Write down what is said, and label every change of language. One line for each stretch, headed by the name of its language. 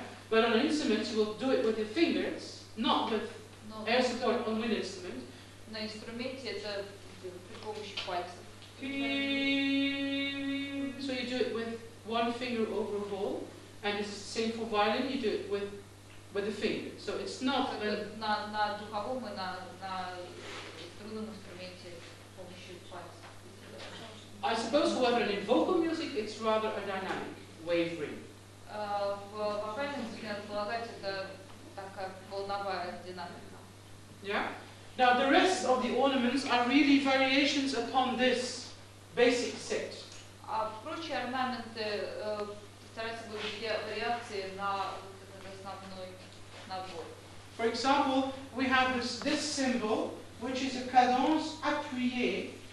English: But on an instrument you will do it with your fingers, not with air support on wind instrument.
Russian: На инструменте это при помощи пальцев.
English: So you do it with one finger over a hole, and it's the same for violin, you do it with the finger. So it's not
Russian: на духовом и на струнном инструменте помощью пальцев.
English: I suppose, however, in vocal music it's rather a dynamic wave ring.
Russian: В вокальной музыке надо полагать это такая волновая динамика.
English: Yeah. Now the rest of the ornaments are really variations upon this basic set.
Russian: А прочие орнаменты стараются быть вариации на основной.
English: For example, we have this symbol, which is a cadence appuyée.